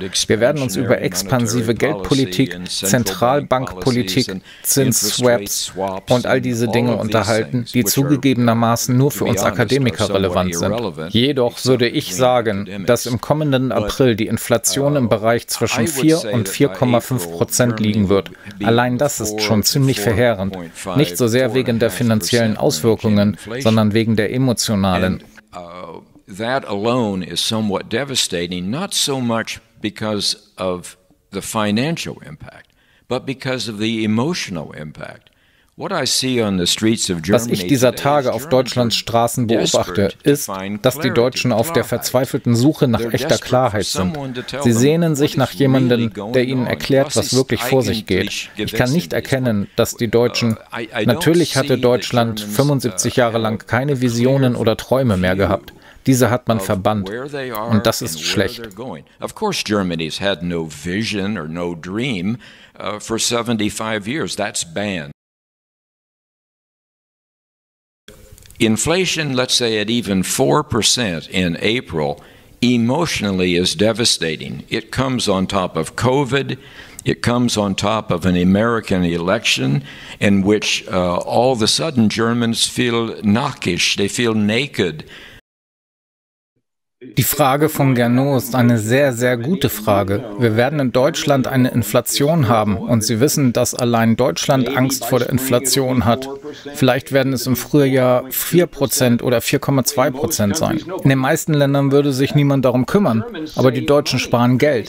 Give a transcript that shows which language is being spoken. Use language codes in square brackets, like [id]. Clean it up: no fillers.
[de] Wir werden uns über expansive Geldpolitik, Zentralbankpolitik, Zinsswaps und all diese Dinge unterhalten, die zugegebenermaßen nur für uns Akademiker relevant sind. Jedoch würde ich sagen, dass im kommenden April die Inflation im Bereich zwischen 4 und 4,5% liegen wird. Allein das ist schon ziemlich verheerend. Nicht so sehr wegen der finanziellen Auswirkungen, sondern wegen der emotionalen. [en] That alone is somewhat devastating, not so much because of the financial impact, but because of the emotional impact. [de] Was ich dieser Tage auf Deutschlands Straßen beobachte, ist, dass die Deutschen auf der verzweifelten Suche nach echter Klarheit sind. Sie sehnen sich nach jemandem, der ihnen erklärt, was wirklich vor sich geht. Ich kann nicht erkennen, dass die Deutschen, natürlich hatte Deutschland 75 Jahre lang keine Visionen oder Träume mehr gehabt. Diese hat man verbannt, und das ist schlecht. [en] Of course, Germany's had no vision or no dream for 75 years. That's banned. Inflation, let's say at even 4% in April, emotionally is devastating. It comes on top of COVID. It comes on top of an American election in which all of a sudden Germans feel knackig, they feel naked. [de] Die Frage von Gernot ist eine sehr, sehr gute Frage. Wir werden in Deutschland eine Inflation haben und Sie wissen, dass allein Deutschland Angst vor der Inflation hat. Vielleicht werden es im Frühjahr 4% oder 4,2% sein. In den meisten Ländern würde sich niemand darum kümmern, aber die Deutschen sparen Geld.